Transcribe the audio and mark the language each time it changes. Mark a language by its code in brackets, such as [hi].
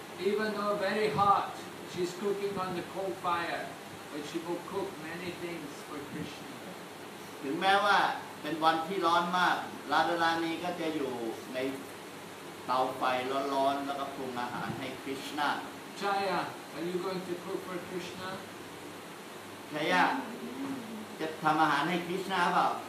[en] Even though very hot, she's cooking on the coal fire. But she will cook many things for Krishna. [th] ถึงแม้ว่าเป็นวันที่ร้อนมาก ราตรีนี้ก็จะอยู่ในเตาไฟร้อนๆแล้วก็ปรุงอาหารให้ Krishna. [en] Chaya, are you going to cook for Krishna? [th] Chaya, จะทำอาหารให้ Krishna เปล่า